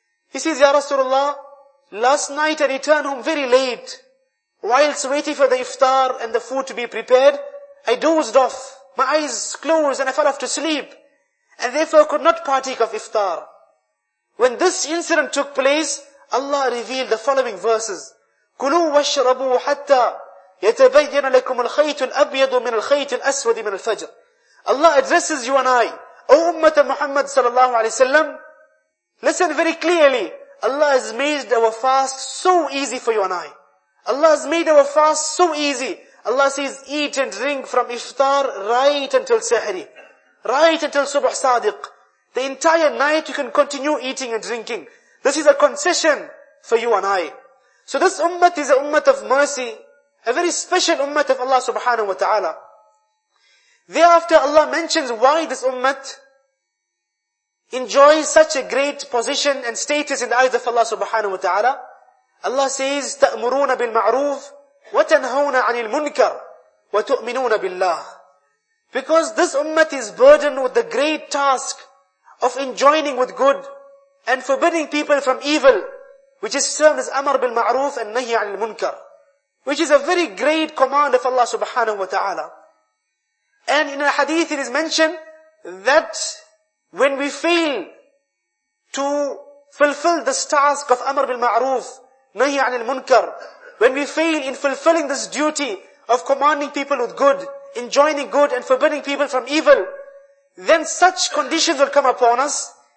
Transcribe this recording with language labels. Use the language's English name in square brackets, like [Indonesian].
[English] He says, "Ya Rasulullah, last night I returned home very late. Whilst waiting for the iftar and the food to be prepared, I dozed off. My eyes closed and I fell off to sleep. And therefore could not partake of iftar." When this incident took place, Allah revealed the following verses. [Arabic] "Kulu washrabu hatta يَتَبَيَّنَ لَكُمُ الْخَيْتُ الْأَبْيَضُ مِنَ الْخَيْتِ الْأَسْوَدِ مِنَ الْفَجْرِ [English] Allah addresses you and I. O Ummat Muhammad sallallahu alayhi wa sallam, listen very clearly. Allah has made our fast so easy for you and I. Allah has made our fast so easy. Allah says, eat and drink from iftar right until sahri. Right until subh sadiq. The entire night you can continue eating and drinking. This is a concession for you and I. So this ummah is a ummah of mercy. A very special ummah of Allah subhanahu wa ta'ala. Thereafter Allah mentions why this ummah enjoys such a great position and status in the eyes of Allah subhanahu wa ta'ala. Allah says, [Arabic] تَأْمُرُونَ بِالْمَعْرُوفِ وَتَنْهَوْنَ عَنِ الْمُنْكَرِ وَتُؤْمِنُونَ بِاللَّهِ. [English] Because this ummah is burdened with the great task of enjoining with good and forbidding people from evil, which is termed as أَمَرْ بِالْمَعْرُوفِ and نَهِي عَنِ الْمُنْكَرِ, which is a very great command of Allah subhanahu wa ta'ala. And in a hadith it is mentioned that when we fail to fulfill this task of Amr bil Ma'ruf, Nahi anil Munkar, when we fail in fulfilling this duty of commanding people with good, enjoining good and forbidding people from evil, then such conditions will come upon us.